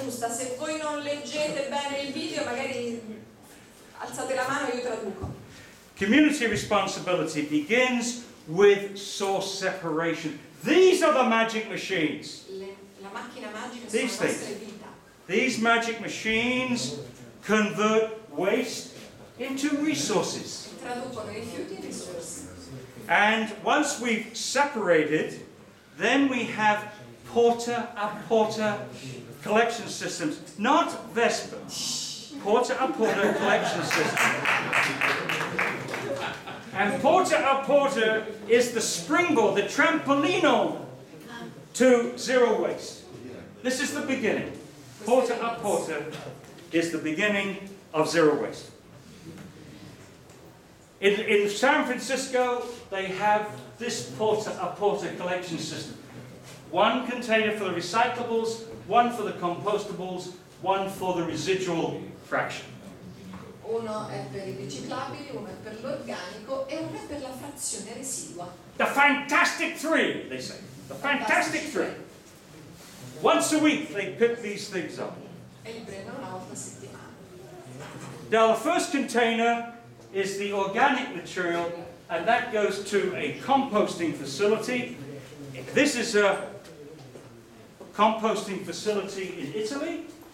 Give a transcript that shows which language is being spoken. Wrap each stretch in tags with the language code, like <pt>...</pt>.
<it>Se voi non leggete bene il video, magari alzate la mano e io traduco.</it> <en>Community responsibility begins with source separation. These are the magic machines.</en> <it>La macchina magica sono le nostre vita.</it> <en>These magic machines convert waste into resources.</en> <it>Traducono i rifiuti in risorse.</it> <en>And once we've separated, then we have porta a porta collection systems, not Vespa, porta a porta collection system. And porta a porta is the springboard, the trampolino to zero waste. This is the beginning. Porta a porta is the beginning of zero waste. In San Francisco, they have this porta a porta collection system. One container for the recyclables, one for the compostables, one for the residual fraction.</en> <it>Uno è per i riciclabili, uno è per l'organico e uno è per la frazione residua.</it> <en>The fantastic three, they say. The fantastic three. Once a week they pick these things up.</en> <it>E li prendono una volta a settimana.</it> <en>Now the first container is the organic material, and that goes to a composting facility. This is a composting facility in Italy.</en>